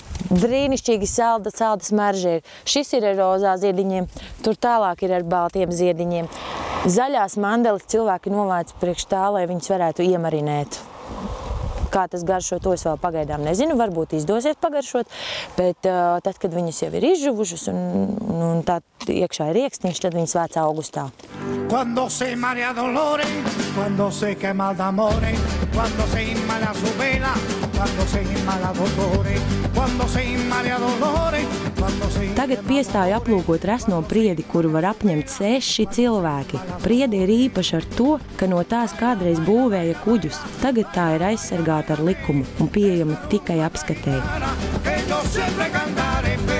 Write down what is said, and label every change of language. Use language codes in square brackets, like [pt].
[lv] Brīnišķīgi salda smaržē. Šis ir ar rozā ziediņiem, tur tālāk ir ar baltiem ziediņiem. Zaļās mandeles cilvēki novāca priekš tā, lai viņus varētu iemarinēt. Kā tas garšo, to es vēl pagaidām nezinu. Varbūt izdosies pagaršot, bet tad, kad viņas jau ir izžuvušas un tā iekšā ir iekstiņš, tad viņas vēc augustā. [it] Quando sei Maria Dolore, quando sei che mal d'amore, quando sei Maria su vela, quando sei Maria Dolore, quando sei Maria Dolore. [lv] Tagad piestāju aplūkot resno priedi, kuru var apņemt 6 cilvēki. Priede ir īpaša ar to, ka no tās kādreiz būvēja kuģus. Tagad tā ir aizsargāta ar likumu un pieejama tikai apskatēji. [es] Pero no siempre cantare.